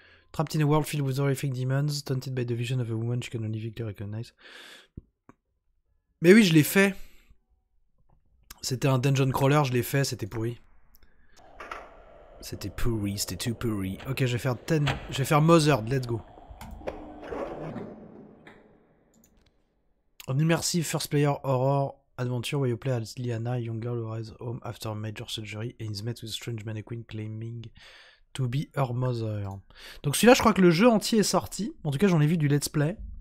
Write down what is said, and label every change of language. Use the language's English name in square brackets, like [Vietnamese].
[English] Trapped in a world filled with horrific demons, taunted by the vision of a woman she can only vaguely recognize. [French] Mais oui, je l'ai fait. C'était un dungeon crawler, je l'ai fait, c'était pourri. C'était pourri, c'était too pourri. Ok, je vais faire je vais faire Mothered, [English] let's go. An immersive first player horror adventure where you play as Liana, a young girl who arrives home after a major surgery and is met with a strange mannequin claiming to be her mother. [French] Donc celui-là, je crois que le jeu entier est sorti. En tout cas, j'en ai vu du let's play.